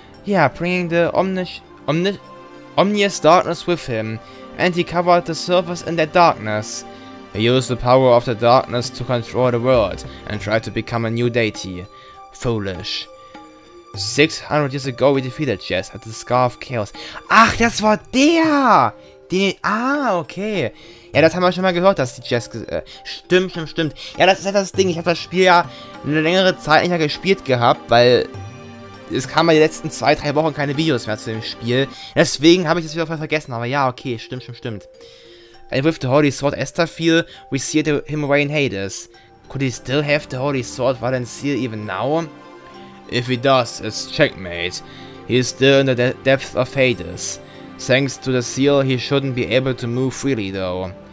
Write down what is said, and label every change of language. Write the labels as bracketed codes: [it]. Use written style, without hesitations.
[en] Yeah, bringing the omnious darkness with him. And he covered the surface in that darkness. He used the power of the darkness to control the world and tried to become a new deity. Foolish. 600 years ago we defeated Jess at the Scar of Chaos. [de] Ach, das war der! Okay. Ja, das haben wir schon mal gehört, dass die Jess... Stimmt. Ja, das ist halt das Ding. Ich habe das Spiel ja eine längere Zeit nicht mehr gespielt gehabt, weil... Es kamen ja die letzten 2-3 Wochen keine Videos mehr zu dem Spiel. Deswegen habe ich das wieder voll vergessen. Aber ja, okay, stimmt. [en] And with the holy sword Estherfield, we sealed him away in Hades. Could he still have the holy sword Valencia even now? If he does, it's checkmate. He is still in the depths of Hades. Thanks to the seal, he shouldn't be able to move freely, though.